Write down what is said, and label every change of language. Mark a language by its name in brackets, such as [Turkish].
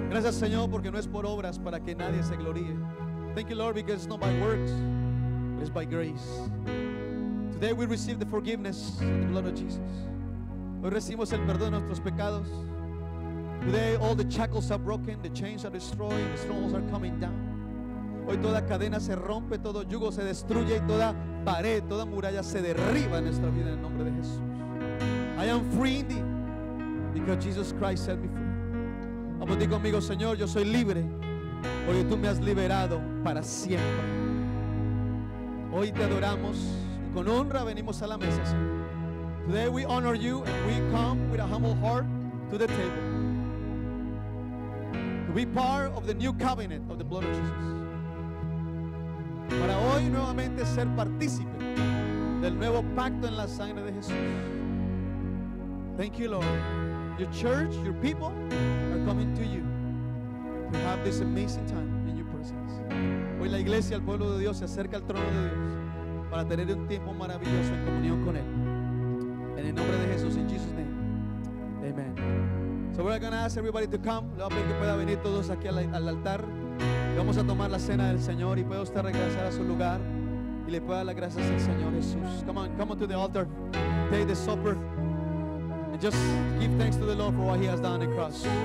[Spanish] Señor, porque no es por obras para que nadie se gloríe. [English] Thank you, Lord, because it's not by works, but it's by grace. Today we receive the forgiveness of the blood of Jesus. [Spanish] Hoy recibimos el perdón de nuestros pecados. [English] Today all the shackles are broken, the chains are destroyed, the strongholds are coming down. [Spanish] Hoy toda cadena se rompe, todo yugo se destruye y toda pared, toda muralla se derriba en nuestra vida en el nombre de Jesús. [English] I am free indeed because Jesus Christ set me free. [Spanish] Vamos, di conmigo, Señor, yo soy libre porque tú me has liberado para siempre. Hoy te adoramos y con honra venimos a la mesa, Señor. [English] Today we honor you and we come with a humble heart to the table. To be part of the new covenant of the blood of Jesus. [Spanish] Para hoy nuevamente ser partícipe del nuevo pacto en la sangre de Jesús. [English] Thank you, Lord. Your church, your people are coming to you to have this amazing time in your presence. [Spanish] Hoy la iglesia, el pueblo de Dios, se acerca al trono de Dios para tener un tiempo maravilloso en comunión con Él. En el nombre de Jesús, [English] in Jesus' name, amen. So we're going to ask everybody to come. [Spanish] Le voy a pedir que pueda venir todos aquí al altar. Vamos a tomar la cena del Señor y pueda usted regresar a su lugar y le pueda dar las gracias al Señor Jesús. [English] Come on, come on to the altar. Take the supper. Just give thanks to the Lord for what He has done on the cross.